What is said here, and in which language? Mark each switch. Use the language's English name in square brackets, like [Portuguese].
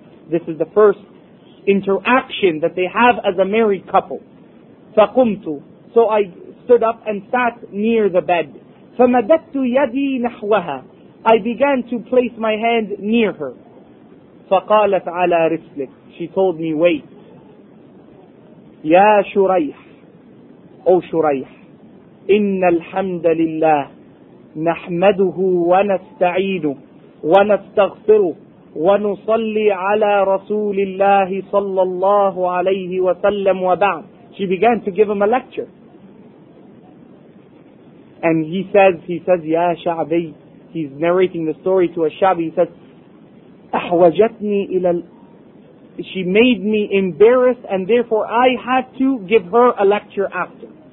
[English] This is the first interaction that they have as a married couple. [Arabic] فَقُمْتُ, [English] so I stood up and sat near the bed. [Arabic] فَمَدَدْتُ يَدِي نَحْوَهَا, [English] I began to place my hand near her. [Arabic] فَقَالَتْ عَلَى رِسْلِكَ, [English] she told me, wait. [Arabic] Ya Shuraih, [English] O Shuraih, [Arabic] إِنَّ الْحَمْدَ لِلَّهِ نَحْمَدُهُ وَنَسْتَعِينُهُ وَنَسْتَغْفِرُهُ وَنُصَلِّي عَلَى رَسُولِ اللَّهِ صَلَّى اللَّهُ عَلَيْهِ وَسَلَّمُ وَبَعْدُ. [English] She began to give him a lecture. And he says, Ya Sha'bi, he's narrating the story to Ash-Sha'bi, he says, [Arabic] أَحْوَجَتْنِي إِلَى الْأَرْضِ, [English] she made me embarrassed and therefore I had to give her a lecture after.